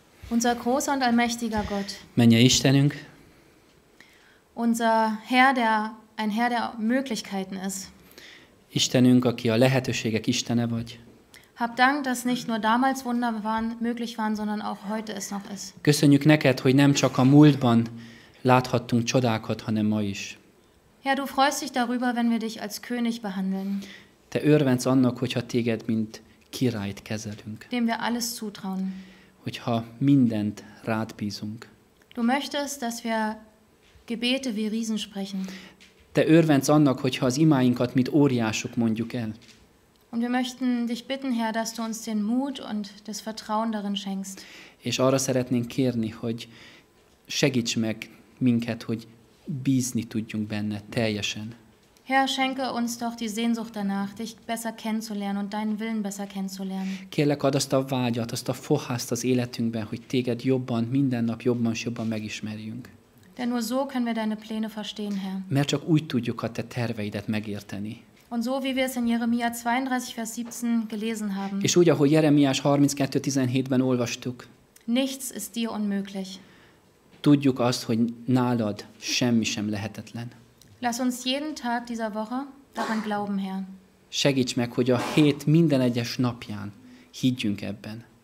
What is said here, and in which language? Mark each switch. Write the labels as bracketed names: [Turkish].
[German] Unser großer und allmächtiger Gott. [Hungarian] Mennye Istenünk. [German] Unser Herr, der ein Herr der Möglichkeiten ist. [Hungarian] Istenünk, aki a lehetőségek Istene vagy. [German] Hab Dank, dass nicht nur damals Wunder waren, möglich waren, sondern auch heute es noch ist. [Hungarian] Köszönjük neked, hogy nem csak a múltban láthattunk csodákat, hanem ma is. [German] Herr, du freust dich darüber, wenn wir dich als König behandeln. [Hungarian] Te örvendsz annak, hogyha téged mint királyt kezelünk. [German] Dem wir alles zutrauen. [Hungarian] Hogyha mindent rád bízunk. [German] Du möchtest, dass wir Gebete wie Riesen sprechen. [Hungarian] Te örvendsz annak, hogyha az imáinkat mint óriások mondjuk el. [German] Und wir möchten dich bitten, Herr, dass du uns den Mut und das Vertrauen darin schenkst. [Hungarian] És arra szeretnénk kérni, hogy segíts meg minket, hogy bízni tudjunk benne teljesen. [German] Herr, schenke uns doch die Sehnsucht danach, dich besser kennenzulernen und deinen Willen besser kennenzulernen. [Hungarian] Kérlek, add azt a vágyat, azt a fohászt az életünkben, hogy téged jobban, minden nap jobban és jobban megismerjünk. [German] Denn nur so können wir deine Pläne verstehen, Herr. [Hungarian] Mert csak úgy tudjuk a te terveidet megérteni. [German] Und so wie wir es in Jeremia 32 Vers 17 gelesen haben. [Hungarian] És úgy, ahogy Jeremiás 32:17-ben olvastuk. [German] Nichts ist dir unmöglich. [Hungarian] Tudjuk azt, hogy nálad semmi sem lehetetlen. [German] Lass uns jeden Tag dieser Woche daran glauben, Herr. [Hungarian] Segíts meg, hogy a hét minden egyes napján higgyünk ebben.